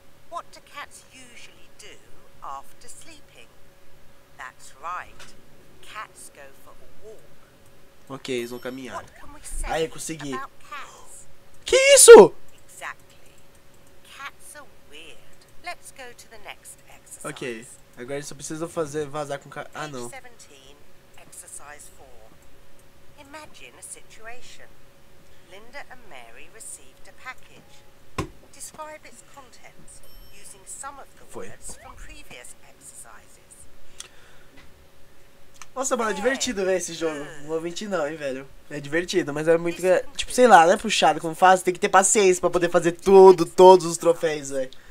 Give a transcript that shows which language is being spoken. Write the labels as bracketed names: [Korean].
[English] What do cats usually do after sleep? That's right. Cats go for a walk. [Portuguese] Ok, eles vão caminhar. Aí, consegui. Que isso? [English] Exactly. Cats are weird. Let's go to the next exercise. [Portuguese] Ok, agora eu só preciso fazer vazar com cara. Ah, não. [English] Page 17, exercise 4. Imagine a situation. Linda and Mary received a package. Describe its contents using some of the words from previous exercises. [Portuguese] Nossa, mano, é divertido ver esse jogo. Não vou mentir não, hein, velho. É divertido, mas é muito... Tipo, sei lá, não é puxado como faz. Tem que ter paciência pra poder fazer tudo, todos os troféus, velho.